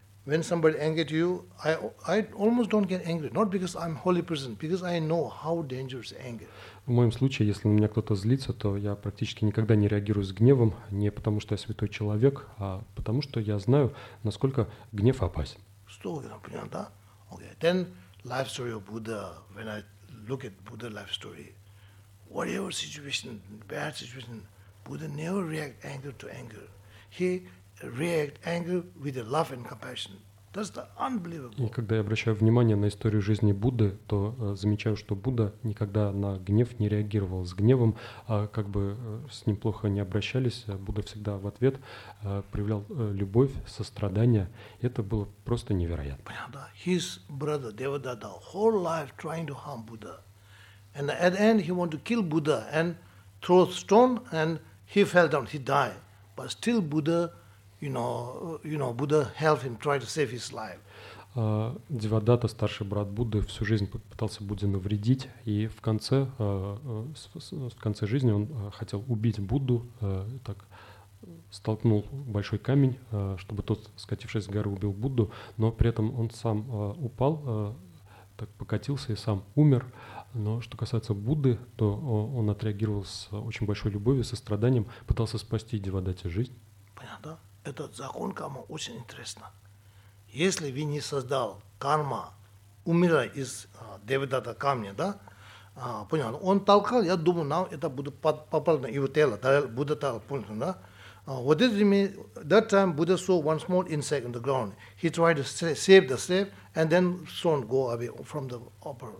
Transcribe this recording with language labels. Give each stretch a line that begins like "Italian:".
English: When somebody angered you, I almost don't get angry. Not because I'm holy person, because I know how dangerous anger.
Russian: В моем случае, если на меня кто-то злится, то я практически никогда не реагирую с гневом, не потому что я святой человек, а потому что я знаю, насколько гнев опасен. Сто, понятно, да?
English: Okay. Then life story of Buddha. When I look at Buddha life story, whatever situation, bad situation, Buddha never react anger to anger. He react anger with a love and compassion. That's the unbelievable.
Russian: И когда я обращаю внимание на историю жизни Будды, то замечаю, что Будда никогда на гнев не реагировал с гневом, а как бы с ним плохо не обращались, Будда всегда в ответ проявлял любовь, сострадание. Это было просто невероятно. Понятно, да?
English: His brother Devadatta whole life trying to harm Buddha, and at the end he want to kill Buddha and throw stone and he fell down, he died. But still Buddha, you know, Buddha helped him, tried to save his life.
Russian: Девадатта, старший брат Будды, всю жизнь пытался Будде навредить, и в конце жизни он хотел убить Будду, так столкнул большой камень, чтобы тот, скатившись с горы, убил Будду, но при этом он сам упал, так покатился и сам умер. Но что касается Будды, то он отреагировал с очень большой любовью, состраданием, пытался спасти Девадатте жизнь. Понятно, да? Этот закон кармы очень интересно. Если вы не создал карма, умирая из Девадатта камня, да, понял, он толкал, я думаю, нам это будет попало на его тело, Будда толкнул, да,
English: What did it mean? That time, Buddha saw one small insect on the ground. He tried to save the slave, and then stone go away from the upper.